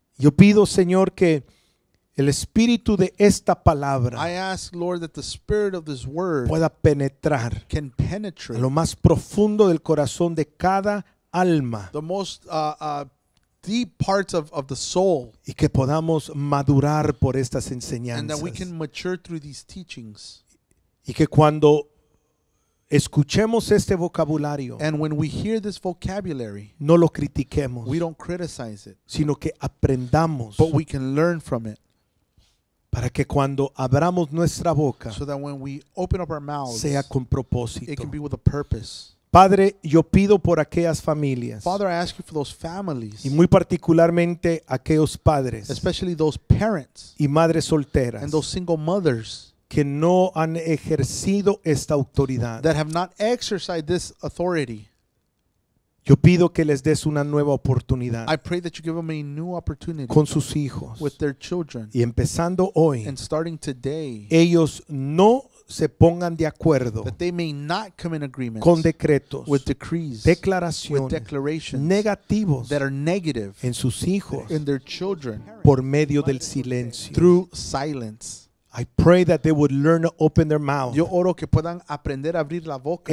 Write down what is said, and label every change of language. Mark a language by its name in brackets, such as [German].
[Spanish] Yo pido, Señor, que el espíritu de esta palabra, [English] I ask, Lord, that the spirit of this word [Spanish] pueda penetrar, [English] can penetrate, [Spanish] a lo más profundo del corazón de cada alma, [English] the most deep parts of the soul, [Spanish] y que podamos madurar por estas enseñanzas, [English] and that we can mature through these teachings, [Spanish] y que cuando escuchemos este vocabulario, [English] and when we hear this vocabulary, [Spanish] no lo critiquemos, [English] we don't criticize it, [Spanish] sino que aprendamos, [English] but we can learn from it. [Spanish] Para que cuando abramos nuestra boca, [English] so that when we open up our mouths, [Spanish] sea con propósito. [English] It can be with a purpose. [Spanish] Padre, yo pido por aquellas familias. [English] Father, I ask you for those families. [Spanish] Y muy particularmente aquellos padres. [English] Especially those parents. [Spanish] Y madres solteras. [English] And those single mothers. [Spanish] Que no han ejercido esta autoridad. [English] That have not exercised this authority. [Spanish] Yo pido que les des una nueva oportunidad. [English] I pray that you give them a new opportunity. [Spanish] Con sus hijos. [English] With their children. [Spanish] Y empezando hoy. [English] And starting today. [Spanish] Ellos no se pongan de acuerdo. [English] That they may not come in agreement. [Spanish] Con decretos. [English] With decrees. [Spanish] Declaraciones. [English] With declarations. [Spanish] Negativos. [English] That are negative. [Spanish] En sus hijos. [English] In their children. [Spanish] Por medio del silencio. [English] Through silence. I pray that they would learn to open their mouth. [Spanish] Yo oro que puedan aprender a abrir la boca.